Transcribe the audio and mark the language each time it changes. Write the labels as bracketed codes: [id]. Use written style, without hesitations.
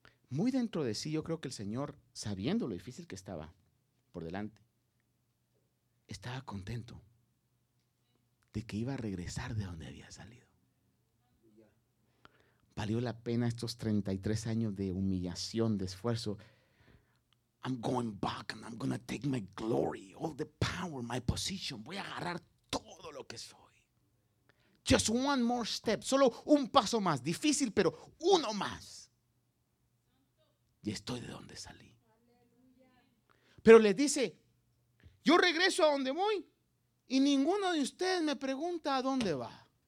[es] Muy dentro de sí, yo creo que el Señor, sabiendo lo difícil que estaba por delante, estaba contento de que iba a regresar de donde había salido. Valió la pena estos 33 años de humillación, de esfuerzo. [en] I'm going back and I'm going to take my glory, all the power, my position. [es] Voy a agarrar todo lo que soy. [en] Just one more step. [es] Solo un paso más. Difícil, pero uno más. Y estoy de donde salí. Pero les dice: Yo regreso a donde voy y ninguno de ustedes me pregunta a dónde va.